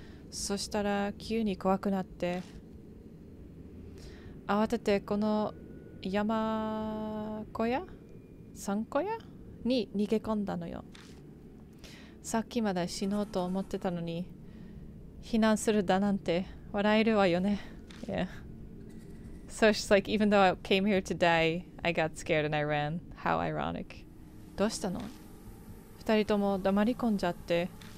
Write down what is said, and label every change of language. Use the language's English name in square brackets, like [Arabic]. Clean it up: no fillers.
[Japanese] そしたら急に怖くなって、慌ててこの山小屋、山小屋に逃げ込んだのよ。さっきまで死のうと思ってたのに、避難するだなんて笑えるわよね。 [English] Yeah. So she's like, even though I came here to die, I got scared and I ran. How ironic. [Japanese] どうしたの?二人とも黙り込んじゃって